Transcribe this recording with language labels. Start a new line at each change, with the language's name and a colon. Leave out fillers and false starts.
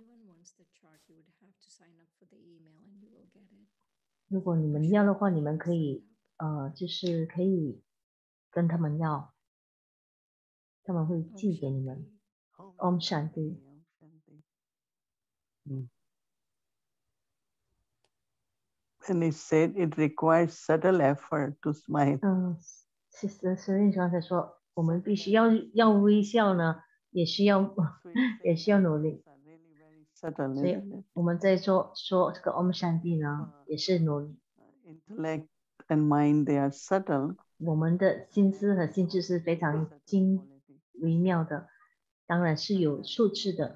English: If anyone wants the chart, you would have to sign up for the email and you will get it.
Chinese: 如果你们要的话，你们可以就是可以跟他们要，他们会寄给你们。
Hindi: Om Shanti. Om Shanti. 嗯。
English: And he said it requires subtle effort to smile.
Chinese: Sister Serin 刚才说，我们必须要微笑呢，也需要努力。
English: Really、
Chinese: 所以我们在说这个
Hindi: Om Shanti
Chinese: 呢，也是努力。
English: Intellect and mind they are subtle.
Chinese: 我们的心思和心智是非常精微妙的，当然是有素质的。